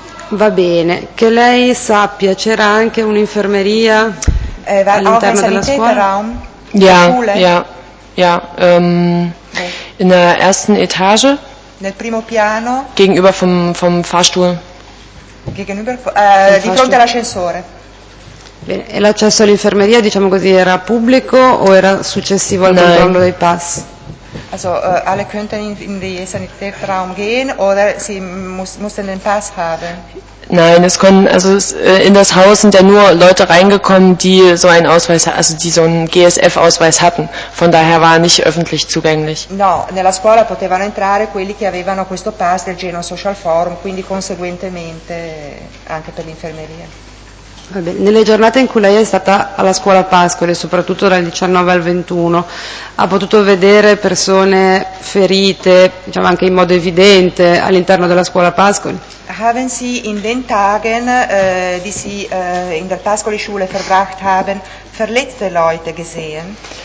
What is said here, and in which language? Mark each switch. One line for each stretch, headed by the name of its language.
Italian: Va bene, che lei sappia, c'era anche un'infermeria all'interno della scuola?
German: Ja, ja, ja, in der ersten Etage,
Italian: nel primo piano,
German: gegenüber vom Fahrstuhl, gegenüber,
Italian: di fronte all'ascensore. Bene, e l'accesso all'infermeria, diciamo così, era pubblico o era successivo al controllo dei pass?
German: Also alle könnten in den Sanitätsraum gehen oder sie mussten den Pass haben? Nein, es konnten, also in das Haus sind ja nur Leute reingekommen, die so einen Ausweis, also die so einen GSF-Ausweis hatten. Von daher war er nicht öffentlich zugänglich.
Italian: No, nella scuola potevano entrare quelli che avevano questo pass del Genoa Social Forum, quindi conseguentemente anche per l'infermeria. Va bene. Nelle giornate in cui lei è stata alla scuola Pascoli, soprattutto dal 19 al 21, ha potuto vedere persone ferite, diciamo anche in modo evidente, all'interno della scuola Pascoli?
German: Haben Sie in den Tagen, die Sie in der Pascoli Schule verbracht haben, verletzte Leute gesehen?